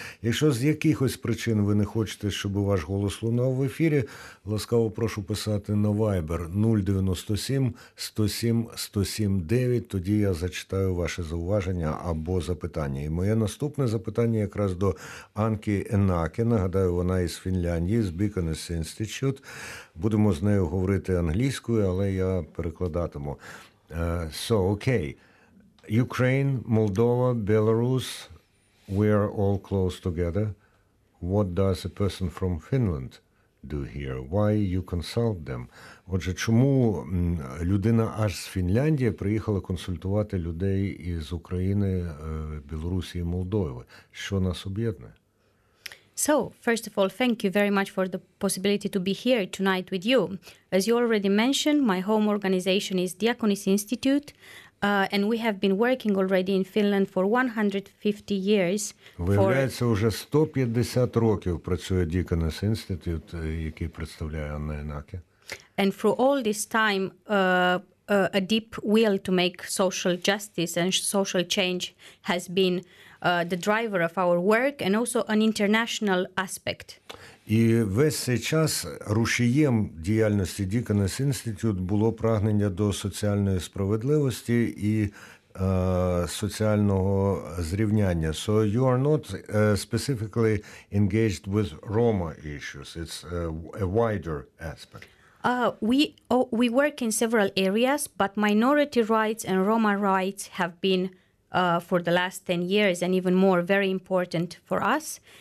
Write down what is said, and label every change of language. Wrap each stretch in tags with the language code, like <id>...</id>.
<uk>Якщо з якихось причин ви не хочете, щоб ваш голос лунав в ефірі, ласкаво прошу писати на Viber 097-107-107-9, тоді я зачитаю ваше зауваження або запитання. І моє наступне запитання якраз до Анки Енаке. Нагадаю, вона із Фінляндії, з Bikoness Institute. Будемо з нею говорити англійською, але я перекладатиму.</uk> <en>So, okay. Ukraine, Moldova, Belarus, we are all close together. What does a person from Finland do here? Why you consult them?</en> <uk>Отже, чому людина аж з Фінляндії приїхала консультувати людей із України, Білорусі і Молдови? Що нас об'єднує?</uk> <en>So, first of all, thank you very much for the possibility to be here tonight with you. As you already mentioned, my home organization is Diakonis Institute, and we have been working already in Finland for 150 years.</en> <uk>Виявляється, вже 150 років працює Diakonis Institute, який представляє Анна Енаке.</uk> <en>And through all this time, a deep will to make social justice and social change has been the driver of our work and also an international aspect.</en> <uk>І весь цей час рушієм діяльності Bikoness Institute було прагнення до соціальної справедливості і соціального зрівняння.</uk> <en>So you are not specifically engaged with Roma issues. It's a wider aspect. We work in several areas, but minority rights and Roma rights have been for the last 10 years and even more very important for us.</en>